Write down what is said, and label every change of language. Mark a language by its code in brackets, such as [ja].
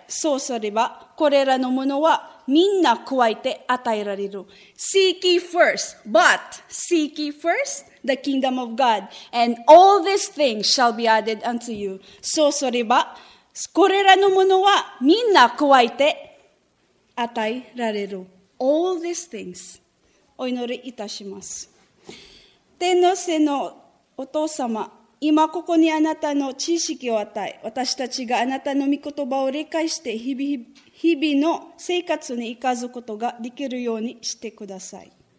[ja] そうすれば、これらのものはみんな加えて与えられる。 [en] Seek ye first, but seek ye first the kingdom of God, and all these things shall be added unto you. [ja] そうすれば、これらのものはみんな加えて与えられる。 [en] All these things。 [ja] お祈りいたします。天の聖のお父様、今ここにあなたの知識を与え、私たちがあなたの御言葉を理解して日々の生活に生かすことができるようにしてください。